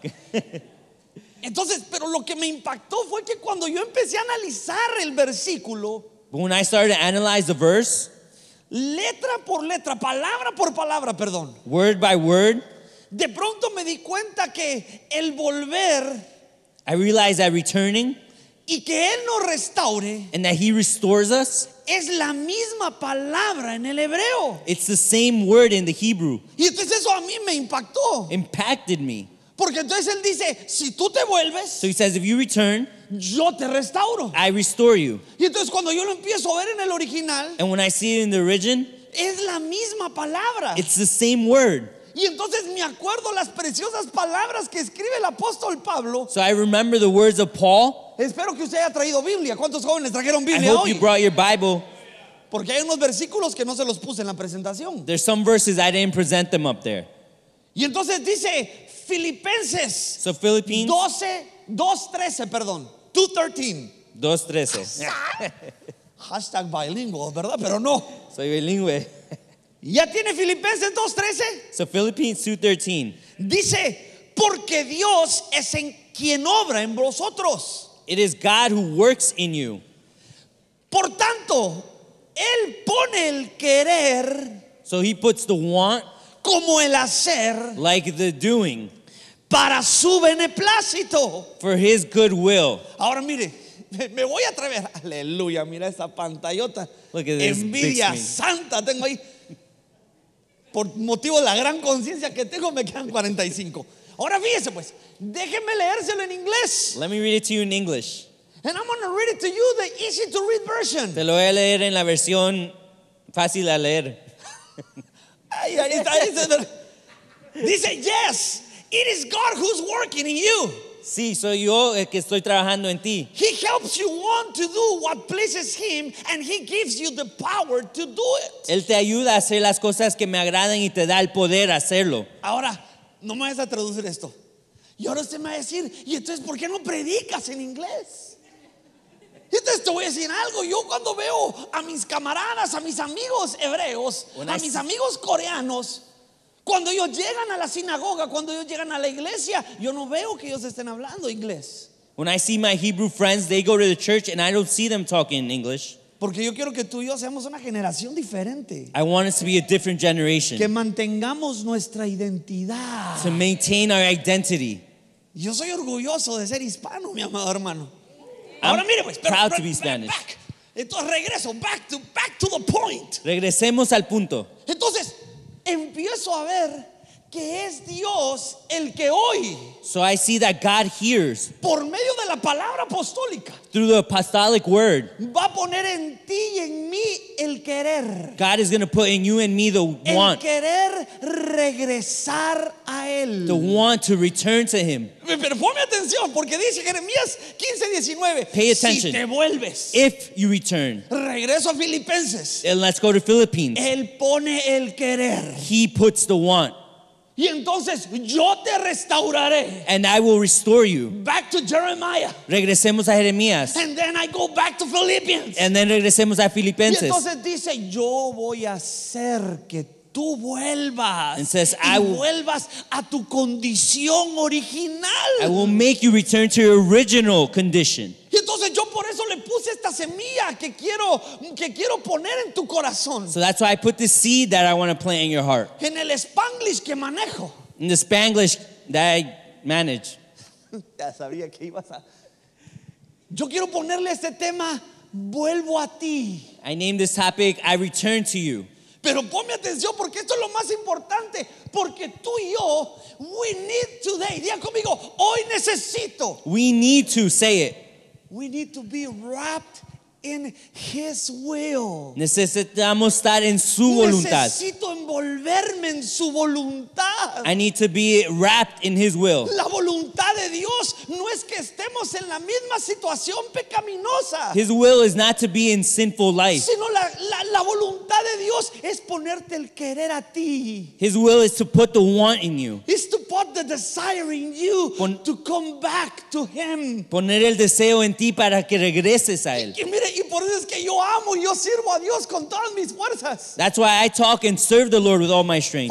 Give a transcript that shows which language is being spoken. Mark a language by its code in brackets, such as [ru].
[es] Entonces, pero lo que me impactó fue que cuando yo empecé a analizar el versículo. [en] But when I started to analyze the verse. [es] Letra por letra, palabra por palabra, perdón. [en] Word by word. [es] De pronto me di cuenta que el volver, [en] I realized that returning, [es] y que él nos restaure, [en] and that he restores us, [es] es la misma palabra en el hebreo. [en] It's the same word in the Hebrew. [es] Y entonces eso a mí me impactó. [en] Impacted me. [es] Porque entonces él dice, si tú te vuelves, [en] so he says, if you return, [es] yo te restauro. [en] I restore you. [es] Y entonces cuando yo lo empiezo a ver en el original, [en] and when I see it in the origin, [es] es la misma palabra. [en] It's the same word. [es] Y entonces me acuerdo las preciosas palabras que escribe el apóstol Pablo. [en] So I remember the words of Paul. [es] Espero que usted haya traído Biblia. ¿Cuántos jóvenes trajeron Biblia hoy? [en] I hope [es] hoy? [en] You brought your Bible. [es] Porque hay unos versículos que no se los puse en la presentación. [en] There's some verses I didn't present them up there. [es] Y entonces dice Filipenses. [en] So Philippians. [es] 2:13, perdón. 2:13. [en] 2:13. [es] Hashtag bilingual, ¿verdad? Pero no. Soy bilingüe. ¿Ya tiene Filipenses 2:13? [en] So Philippians 2:13. [es] Dice, porque Dios es en quien obra en vosotros. [en] It is God who works in you. [es] Por tanto, él pone el querer. [en] So he puts the want. [es] Como el hacer. [en] Like the doing. [es] Para su beneplácito. [en] For his good will. [es] Ahora mire, me voy a atrever. Aleluya, mira esa pantallota. [en] Look at this. [es] Envidia santa tengo ahí. Por motivo de la gran conciencia que tengo, me quedan 45. Ahora fíjese pues, déjenme leérselo en inglés. [en] Let me read it to you in English. And I'm going to read it to you the easy to read version. [es] Te lo voy a leer en la versión fácil a leer. Ay, ahí está, ahí está. Dice, [en] yes, it is God who's working in you. [es] Sí, soy yo el que estoy trabajando en ti. [en] He helps you want to do what pleases him, and he gives you the power to do it. [es] Él te ayuda a hacer las cosas que me agradan y te da el poder hacerlo. Ahora, no me vas a traducir esto. Y ahora usted me va a decir, ¿y entonces por qué no predicas en inglés? Y entonces te voy a decir algo. Yo cuando veo a mis camaradas, a mis amigos hebreos, a mis amigos coreanos, Cuando ellos llegan a la sinagoga, cuando ellos llegan a la iglesia, yo no veo que ellos estén hablando inglés. [en] When I see my Hebrew friends, they go to the church and I don't see them talking English. [es] Porque yo quiero que tú y yo seamos una generación diferente. [en] I want us to be a different generation. [es] Que mantengamos nuestra identidad. [en] To maintain our identity. [es] Yo soy orgulloso de ser hispano, mi amado hermano. Ahora mire pues, pero, [en] proud to be Spanish. [es] Entonces regreso, [en] back to the point. [es] Regresemos al punto. Entonces empiezo a ver que es Dios el que hoy. [en] So I see that God hears. [es] Por medio de la palabra apostólica. [en] Through the apostolic word. [es] Va a poner en ti y en mí el querer. [en] God is going to put in you and me the want. [es] El querer regresar a él. [en] The want to return to him. [es] Pero ponme atención porque dice Jeremías 15:19. [en] Pay attention. [es] Si te vuelves. [en] If you return. [es] Regreso a Filipenses. [en] And let's go to Philippines. [es] Él pone el querer. [en] He puts the want. [es] Y entonces yo te restauraré. [en] And I will restore you. Back to Jeremiah. [es] Regresemos a Jeremías. [en] And then I go back to Philippians. And then [es] regresemos a Filipenses. Y entonces dice, yo voy a hacer que tú vuelvas. [en] And says, [es] y vuelvas a tu condición original. [en] I will make you return to your original condition. [es] Y entonces yo por eso le puse esta semilla que quiero poner en tu corazón. [en] So that's why I put this seed that I want to plant in your heart. [es] En el Spanglish que manejo. [en] In the Spanglish that I manage. [es] Ya sabía que ibas a. Yo quiero ponerle este tema, vuelvo a ti. [en] I named this topic, I return to you. [es] Pero ponme atención porque esto es lo más importante. Porque tú y yo, [en] we need today. [es] Día conmigo, hoy necesito. [en] We need to say it. We need to be wrapped in His will. [es] Necesitamos estar en su voluntad. Necesito envolverme en su voluntad. [en] I need to be wrapped in His will. [es] La voluntad de Dios no es que estemos en la misma situación pecaminosa. [en] His will is not to be in sinful life. [es] Sino la voluntad de Dios es ponerte el querer a ti. [en] His will is to put the want in you. Is to put the desire in you to come back to Him. [es] Poner el deseo en ti para que regreses a él. Y por eso es que yo amo y yo sirvo a Dios con todas mis fuerzas. [en] That's why I talk and serve the Lord with all my strength.